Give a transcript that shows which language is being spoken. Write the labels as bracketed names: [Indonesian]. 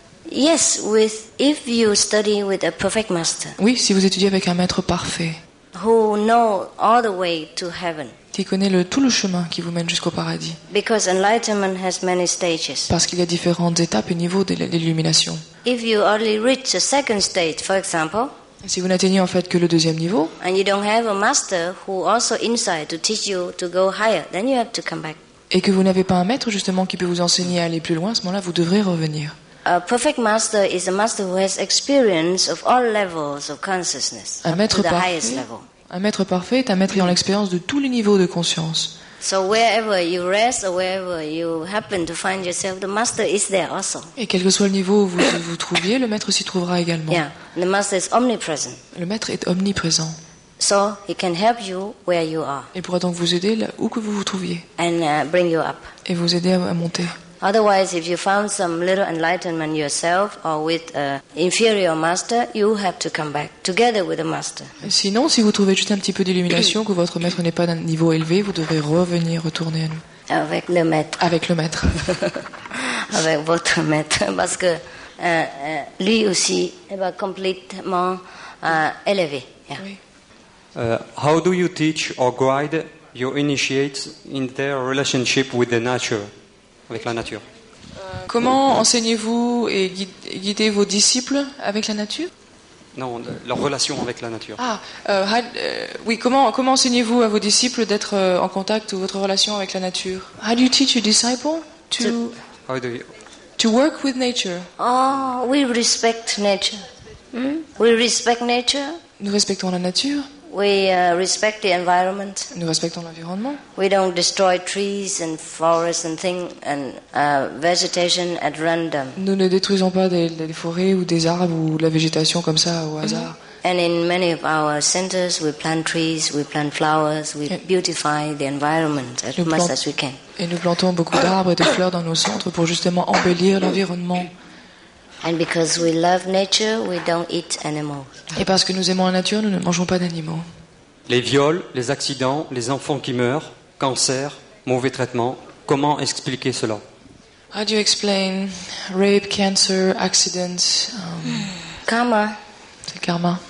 [English] Yes, if you study with a perfect master. [French] Oui, si vous étudiez avec un maître parfait. [English] Who know all the way to heaven. [French] Qui connaît tout le chemin qui vous mène jusqu'au paradis. [English] Because enlightenment has many stages. [French] Parce qu'il y a différentes étapes et niveaux de l'illumination. [English] If you only reach a second stage, for example. [French] Si vous n'atteignez en fait que le deuxième niveau. [English] And you don't have a master who also inside to teach you to go higher, then you have to come back. [French] Et que vous n'avez pas un maître justement qui peut vous enseigner à aller plus loin, à ce moment-là, vous devrez revenir. [English] A perfect master is a master who has experience of all levels of consciousness up to the highest level. [French] Un maître parfait est un maître ayant l'expérience de tous les niveaux de conscience. [English] So wherever you rest or wherever you happen to find yourself, the master is there also. [French] Et quel que soit le niveau où vous trouviez, le maître s'y trouvera également. [English] Yeah, the master is omnipresent. [French] Le maître est omniprésent. [English] So he can help you where you are. [French] Il pourra donc vous aider là où que vous vous trouviez. [English] And bring you up. [French] Et vous aider à monter. [English] Otherwise, if you found some little enlightenment yourself or with an inferior master, you have to come back together with the master. [French] Sinon, si vous trouvez juste un petit peu d'illumination, que votre maître n'est pas d'un niveau élevé, vous devrez retourner à nous. Avec le maître. Avec le maître. Avec votre maître, parce que lui aussi est complètement élevé. [English] Yeah. How do you teach or guide your initiates in their relationship with the nature? [French] Avec la nature. Comment enseignez-vous et guidez vos disciples avec la nature? Non, leur relation avec la nature. Ah, oui, comment enseignez-vous à vos disciples d'être en contact ou votre relation avec la nature? [English] How do you teach your disciples to work with nature? Oh, we respect nature. We respect nature. [French] Nous respectons la nature. [English] We respect the environment. [French] Nous respectons l'environnement. [English] We don't destroy trees and forests and things and vegetation at random. [French] Nous ne détruisons pas des forêts ou des arbres ou la végétation comme ça au hasard. [English] And in many of our centers, we plant trees, we plant flowers, we beautify the environment as much as we can. [French] Et nous plantons beaucoup d'arbres et de fleurs dans nos centres pour justement embellir l'environnement. [English] And because we love nature, we don't eat animals. [French] Et parce que nous aimons la nature, nous ne mangeons pas d'animaux. Les viols, les accidents, les enfants qui meurent, cancer, mauvais traitements, comment expliquer cela? [English] How do you explain rape, cancer, accidents? Karma. [French] C'est karma.